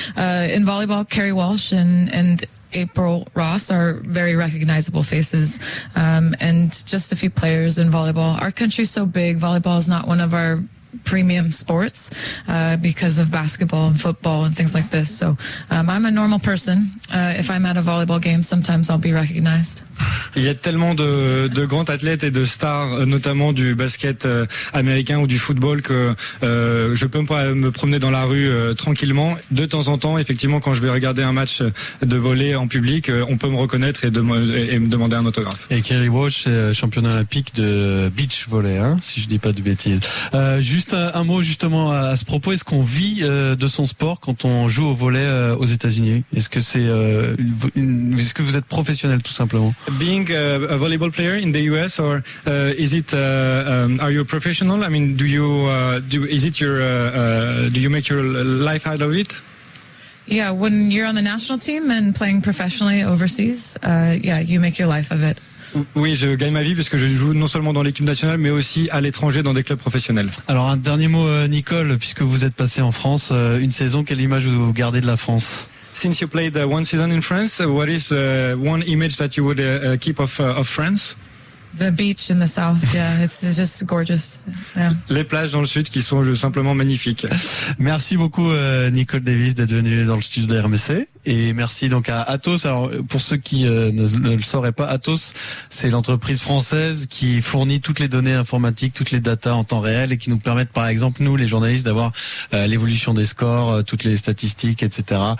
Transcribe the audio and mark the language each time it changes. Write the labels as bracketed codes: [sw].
[en] In volleyball, Kerry Walsh and April Ross are very recognizable faces, and just a few players in volleyball. Our country's so big, volleyball is not one of our premium sports because of basketball and football and things like this. So I'm a normal person. If I'm at a volleyball game, sometimes I'll be recognized. [fr] Il y a tellement de grands athlètes et de stars, notamment du basket américain ou du football, que je peux me promener dans la rue tranquillement. De temps en temps, effectivement, quand je vais regarder un match de volley en public, on peut me reconnaître et me demander un autographe. Et Kerry Walsh, championne olympique de beach volley, hein, si je dis pas de bêtises. Juste un mot justement à ce propos, est-ce qu'on vit de son sport quand on joue au volley aux États-Unis? Est-ce que vous êtes professionnel tout simplement? [en] Being a volleyball player in the US, or is it are you a professional? I mean, do you make your life out of it? Yeah, when you're on the national team and playing professionally overseas, you make your life of it. [fr] Oui, je gagne ma vie puisque je joue non seulement dans l'équipe nationale, mais aussi à l'étranger dans des clubs professionnels. Alors un dernier mot, Nicole, puisque vous êtes passé en France une saison, quelle image vous gardez de la France? [en] Since you played one season in France, what is one image that you would keep of France? The beach in the south, yeah, it's just gorgeous. Yeah. [fr] Les plages dans le sud qui sont simplement magnifiques. Merci beaucoup, Nicole Davis, d'être venue dans le studio de RMC. Et merci donc à Atos. Alors, pour ceux qui ne le sauraient pas, Atos, c'est l'entreprise française qui fournit toutes les données informatiques, toutes les datas en temps réel et qui nous permettent, par exemple, nous, les journalistes, d'avoir l'évolution des scores, toutes les statistiques, etc.